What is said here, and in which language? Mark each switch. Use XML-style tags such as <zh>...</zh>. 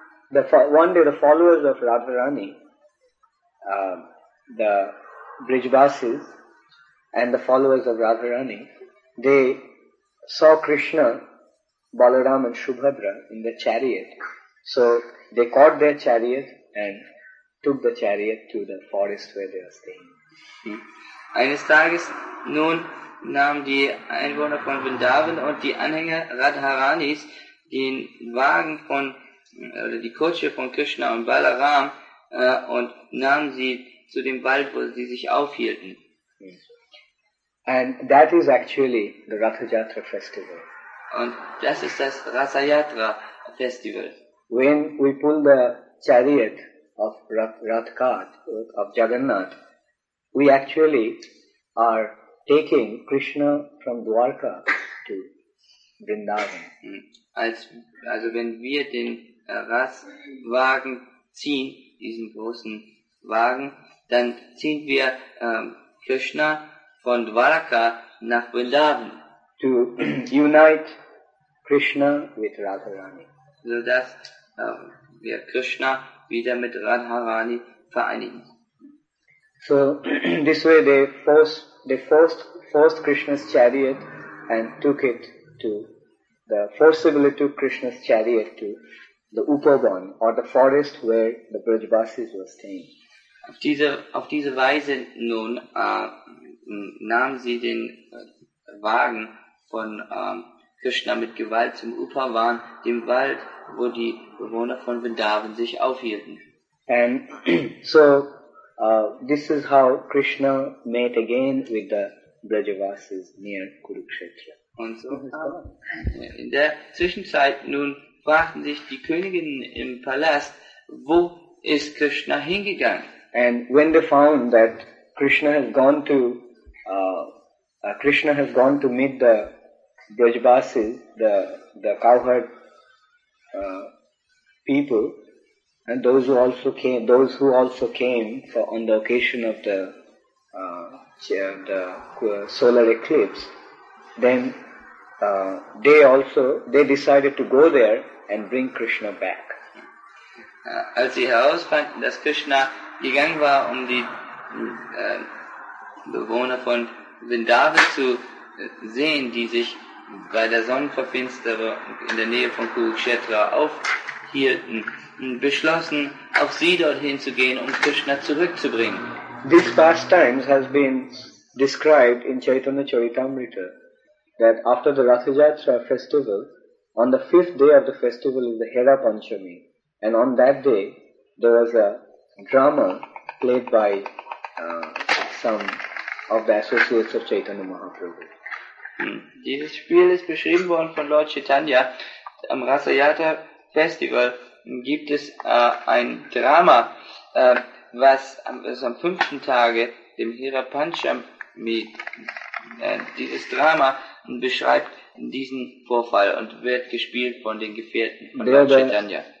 <en>One day, the followers of Radharani, the Brijvasis, and the followers of Radharani, they saw Krishna, Balaram and Subhadra in the chariot. So they caught their chariot and took the chariot to the forest where they were staying.</en> <de>Eines Tages nun nahmen die Einwohner von Vrindavan und die Anhänger Radharanis den Wagen von oder die Kutsche von Krishna und Balaram und nahmen sie zu dem Wald, wo sie sich aufhielten.</de> <en>And that is actually the Rathajatra festival.</en> <de>Und das ist das Rathajatra festival.</de> <en>When we pull the chariot of Rathkat, of Jagannath, we actually are taking Krishna from Dwarka to Vrindavan.</en> <de>Also wenn wir den Rathwagen ziehen, diesen großen Wagen, dann ziehen wir Krishna von Dwarka nach Vrindavan.</de> <en>To unite Krishna with Radharani.</en> <de>So dass wir Krishna wieder mit Radharani vereinigen.</de> <en>So this way they forced Krishna's chariot and took Krishna's chariot to the Upavan or the forest where the Brijvasis were staying.</en> <de>Auf diese Weise nun nahmen sie den Wagen von Krishna mit Gewalt zum Upavan, dem Wald, wo die Bewohner von Vrindavan sich aufhielten.</de> <en>And so this is how Krishna met again with the Brajavasis near Kurukshetra.</en> <de>Und so in der Zwischenzeit nun fragten sich die Königinnen im Palast, wo ist Krishna hingegangen?</de> <en>And when they found that Krishna has gone to meet the Brajavasis, the cowherd people, and those who also came for on the occasion of the solar eclipse, then they decided to go there and bring Krishna back.</en> <de>Als sie herausfanden, dass Krishna gegangen war, um die Bewohner von Vrindavan zu sehen, die sich bei der Sonnenverfinsterung in der Nähe von Kurukshetra aufhielten, beschlossen, auf sie dorthin zu gehen, um Krishna zurückzubringen.</de> <en>These pastimes has been described in Chaitanya Charitamrita that after the Rathajatra festival, on the fifth day of the festival is the Hera Panchami, and on that day there was a drama played by some of the associates of Chaitanya Mahaprabhu.</en> <de>Dieses Spiel ist beschrieben worden von Lord Chaitanya. Am Rasayata Festival gibt es ein Drama, was am fünften Tage dem Hirapanchami dieses Drama beschreibt diesen Vorfall und wird gespielt von den Gefährten von Lord Chaitanya.</de>